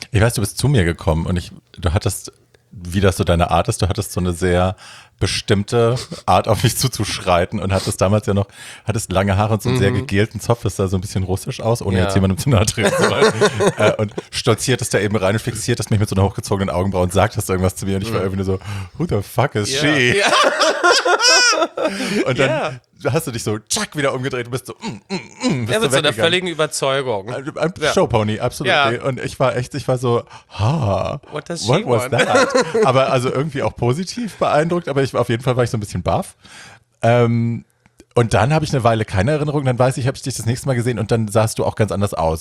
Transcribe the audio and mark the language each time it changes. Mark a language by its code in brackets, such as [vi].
[de] Ich weiß, du bist zu mir gekommen und du hattest, wie das so deine Art ist, du hattest so eine sehr bestimmte Art, auf mich zuzuschreiten und hattest lange Haare und so einen sehr gegelten Zopf, das sah so ein bisschen russisch aus, ohne jetzt jemandem zu nahe treten zu wollen. Und stolziertest da eben rein und fixiertest mich mit so einer hochgezogenen Augenbraue und sagtest irgendwas zu mir und ich war irgendwie nur so, [en] who the fuck is she? Yeah. [de] Und dann hast du dich so tschack wieder umgedreht und bist so bist mit so einer völligen Überzeugung. Ein Showpony, absolut. Yeah. Und ich war so, [en] what was that? [de] Aber also irgendwie auch positiv beeindruckt, aber auf jeden Fall war ich so ein bisschen baff. Und dann habe ich eine Weile keine Erinnerung, dann weiß ich, habe ich dich das nächste Mal gesehen und dann sahst du auch ganz anders aus.